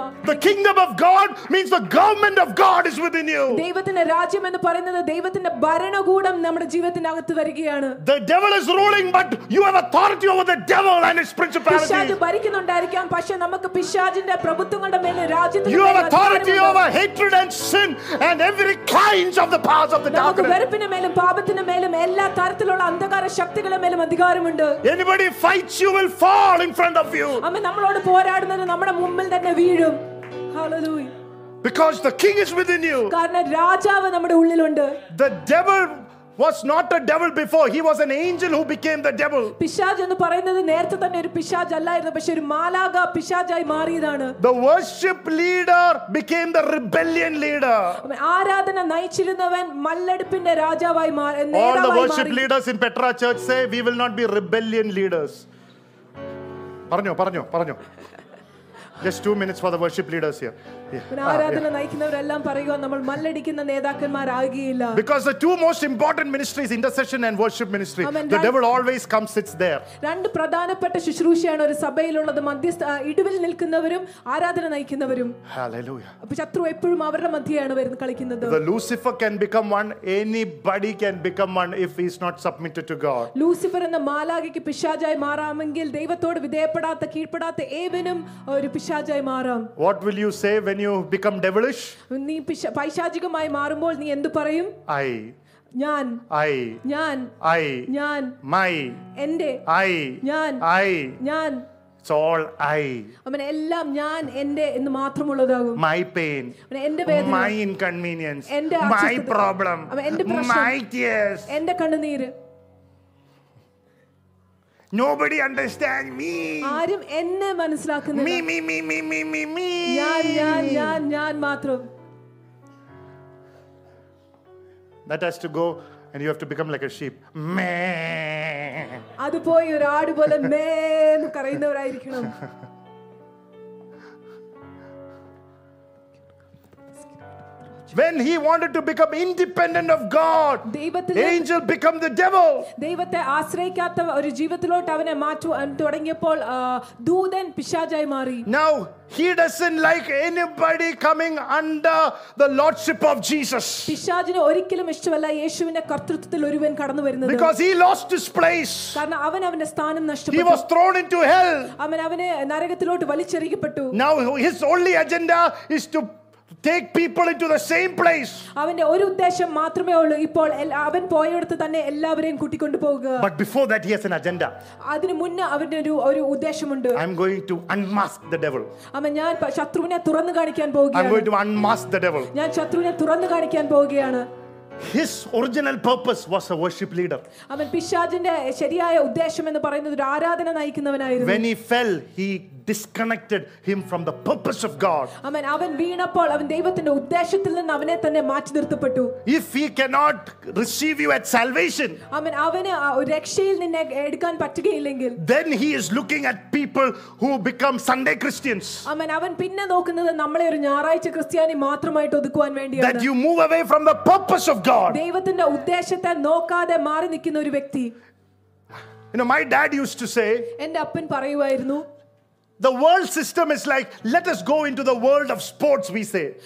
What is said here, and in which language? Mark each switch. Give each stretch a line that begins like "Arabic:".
English: The kingdom of God means the government of God is within you.
Malayalam: ദൈവത്തിന്റെ രാജ്യം എന്ന് പറയുന്നത് ദൈവത്തിന്റെ ഭരണകൂടം നമ്മുടെ ജീവിതത്തിനകത്ത് വരികയാണ്.
English: The devil is ruling, but you have authority over the devil and his principalities.
Malayalam: പിശാച് ഭരിക്കുന്നുണ്ടായിരിക്കാം, പക്ഷേ നമുക്ക് പിശാചിന്റെ പ്രഭുത്വങ്ങളുടെ മേൽ രാജ്യത്തിന്റെ.
English: You have authority over hatred and sin and every kinds of the powers of the darkness.
Malayalam: നമുക്ക് വെറുപ്പിന് മേലും പാപത്തിന് മേലും എല്ലാ തരത്തിലുള്ള അന്ധകാര ശക്തികളുടെ മേലും അധികാരം.
English: Anybody fights you will fall in front of you.
Malayalam: അമ്മ നമ്മളോട് പോരാടുന്നത് നമ്മുടെ മുമ്പിൽ തന്നെ വീഴും.
English: Hallelujah. Because the king is within you.
Malayalam: കാരണം രാജാവ് നമ്മുടെ ഉള്ളിലുണ്ട്.
English: The devil was not a devil before, he was an angel who became the devil.
Malayalam: പിശാച് എന്ന് പറയുന്നത് നേരത്തെ തന്നെ ഒരു പിശാച് അല്ലായിരുന്നു പക്ഷേ ഒരു മാലാക പിശാചായി മാറിയതാണ്.
English: The worship leader became the rebellion leader.
Malayalam: ആരാധന നയിച്ചിരുന്നവൻ മല്ലടിപ്പിന്റെ രാജാവായി മാറി.
English: All the worship leaders in Petra church say we will not be rebellion leaders.
Malayalam: പറഞ്ഞോ പറഞ്ഞോ പറഞ്ഞോ.
English: Just 2 minutes for the worship leaders here. Because the two most important ministries, intercession and worship ministry, the devil always comes, sits there.
Malayalam: രണ്ട് പ്രധാനപ്പെട്ട ശുശ്രൂഷയാണ് ഒരു സഭയിലുള്ളത് മധ്യസ്ഥ ഇടുവിൽ നിൽക്കുന്നവരും ആരാധന നയിക്കുന്നവരും.
English: Hallelujah.
Malayalam: അപ്പോൾ ശത്രു എപ്പോഴും അവരുടെ മധ്യയാണ് വരുന്ന കളിക്കുന്നത്.
English: The Lucifer can become one, anybody can become one if he is not submitted to God.
Malayalam: Lucifer എന്ന മാലാഖയ്ക്ക് പിശാചായി മാറാമെങ്കിൽ ദൈവത്തോട് വിധേയപ്പെടാത്ത കീഴ്പ്പെടാത്ത ഏവനും ഒരു പിശാചായി മാറാം.
English: What will you say when you become devilish?
Malayalam: നീ പൈശാചികമായി മാറുമ്പോൾ നീ എന്തു പറയും?
English: I.
Malayalam: ഞാൻ.
English: I.
Malayalam: ഞാൻ.
English: I.
Malayalam: ഞാൻ.
English: My.
Malayalam: എൻ്റെ.
English: I.
Malayalam: ഞാൻ.
English: I.
Malayalam: ഞാൻ.
English: It's all I.
Malayalam: അമ്മേ എല്ലാം ഞാൻ എൻ്റെ എന്ന് മാത്രമുള്ളതാകും.
English: My pain.
Malayalam: അമ്മേ എൻ്റെ വേദന.
English: My inconvenience.
Malayalam: എൻ്റെ
English: my problem.
Malayalam: അമ്മേ എൻ്റെ പ്രശ്നം.
English: My tears.
Malayalam: എൻ്റെ കണ്ണുനീർ.
English: Nobody understand me.
Malayalam: ആരും എന്നെ മനസ്സിലാക്കുന്നില്ല.
English: Me me me me me me.
Malayalam: ഞാൻ മാത്രം.
English: That has to go and you have to become like a sheep. Meh.
Malayalam: അത് പോയി ഒരു ആട് പോലെ മേ എന്ന് കരയുന്നവരായിരിക്കണം.
English: When he wanted to become independent of God, the angel became the devil.
Malayalam: ദൈവത്തെ ആശ്രയിക്കാത്ത ഒരു ജീവിതത്തിലോട്ട് അവനെ മാറ്റുവാൻ തുടങ്ങിയപ്പോൾ ദൂതൻ പിശാചായി മാറി.
English: Now he doesn't like anybody coming under the lordship of Jesus.
Malayalam: പിശാചിനെ ഒരിക്കലും ഇഷ്ടമല്ല യേശുവിന്റെ കർത്തൃത്വത്തിൽ ഒരുവൻ കടന്നു വരുന്നത്.
English: Because he lost his place.
Malayalam: കാരണം അവൻ അവന്റെ സ്ഥാനം നഷ്ടപ്പെട്ടു.
English: He was thrown into hell.
Malayalam: അവൻ അവനെ നരകത്തിലോട്ട് വലിച്ചെറിയപ്പെട്ടു.
English: Now his only agenda is to take people into the same place.
Malayalam: അവന്റെ ഒരു ഉദ്ദേശം മാത്രമേ ഉള്ളൂ ഇപ്പോൾ അവൻ പോയടുത്ത് തന്നെ എല്ലാവരെയും കൂട്ടിക്കൊണ്ടു പോവുക.
English: But before that he has an agenda.
Malayalam: അതിനു മുന്നേ അവന്റെ ഒരു ഉദ്ദേശമുണ്ട്.
English: I am going to unmask the devil.
Malayalam: അവൻ ഞാൻ ശത്രുവിനെ തുറന്നു കാണിക്കാൻ പോവുകയാണ്.
English: I am going to unmask the devil.
Malayalam: ഞാൻ ശത്രുവിനെ തുറന്നു കാണിക്കാൻ പോവുകയാണ്.
English: His original purpose was a worship leader.
Malayalam: അവൻ പിശാചിന്റെ ശരിയായ ഉദ്ദേശം എന്ന് പറയുന്നത് ഒരു ആരാധന നയിക്കുന്നവനായിരുന്നു.
English: When he fell, he disconnected him from the purpose of God.
Malayalam: അമ്മേ അവൻ വീണപ്പോൾ അവൻ ദൈവത്തിന്റെ ഉദ്ദേശത്തിൽ നിന്ന് അവനെ തന്നെ മാറ്റി നിർത്തപ്പെട്ടു.
English: If he cannot receive you at salvation,
Malayalam: അമ്മേ അവനെ രക്ഷയിൽ നിന്നെ എടുക്കാൻ പറ്റുകയില്ലെങ്കിൽ,
English: then he is looking at people who become Sunday Christians.
Malayalam: അമ്മേ അവൻ പിന്നെ നോക്കുന്നത് നമ്മളെ ഒരു ഞായറാഴ്ച ക്രിസ്ത്യാനി മാത്രമായിട്ട് ഒതുക്കുവാൻ വേണ്ടിയാണ്.
English: That you move away from the purpose of God.
Malayalam: ദൈവത്തിന്റെ ഉദ്ദേശത്തെ നോക്കാതെ മാറി നിൽക്കുന്ന ഒരു വ്യക്തി.
English: You know, my dad used to say,
Malayalam: എന്റെ അപ്പൻ പറയുവായിരുന്നു,
English: the world system is like, let us go into the world of sports, we say.